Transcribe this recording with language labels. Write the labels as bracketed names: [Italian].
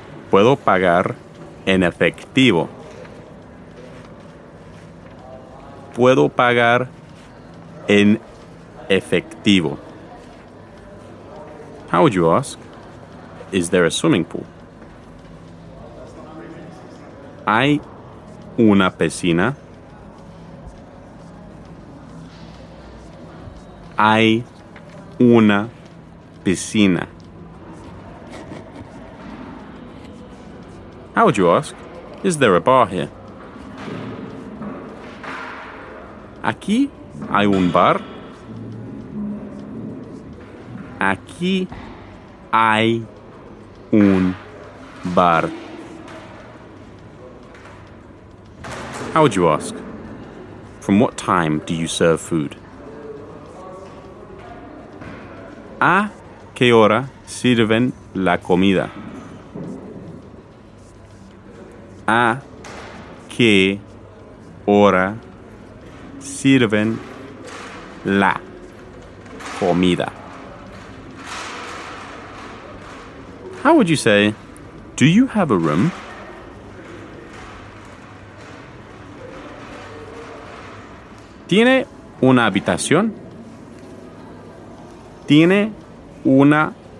[Spanish] ¿Puedo pagar en efectivo? ¿Puedo pagar en efectivo? [English] How would you ask? Is there a swimming pool? [Spanish] ¿Hay una piscina? ¿Hay una piscina? [English] How would you ask? Is there a bar here? [Spanish] ¿Aquí hay un bar? ¿Aquí hay un bar? [English] How would you ask? From what time do you serve food? [Spanish] ¿A qué hora sirven la comida? ¿A qué hora sirven la comida? [English] How would you say, do you have a room? [Spanish] ¿Tiene una habitación? ¿Tiene una